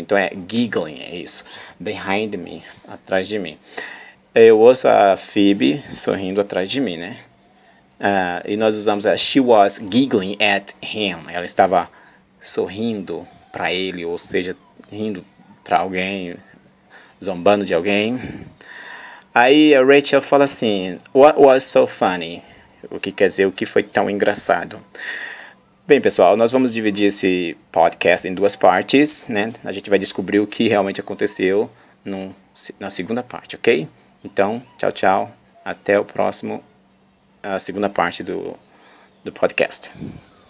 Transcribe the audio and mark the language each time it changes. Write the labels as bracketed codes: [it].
[pt] Então é giggling, é isso. [en] Behind me, [pt] atrás de mim. Eu ouço a Phoebe sorrindo atrás de mim, né? E nós usamos a [en] she was giggling at him. [pt] Ela estava sorrindo para ele, ou seja, rindo para alguém, zombando de alguém. Aí a Rachel fala assim, [en] what was so funny? [pt] O que quer dizer, o que foi tão engraçado? Bem, pessoal, nós vamos dividir esse podcast em duas partes, né? A gente vai descobrir o que realmente aconteceu na segunda parte, ok? Então, tchau, tchau. Até o próximo, a segunda parte do podcast.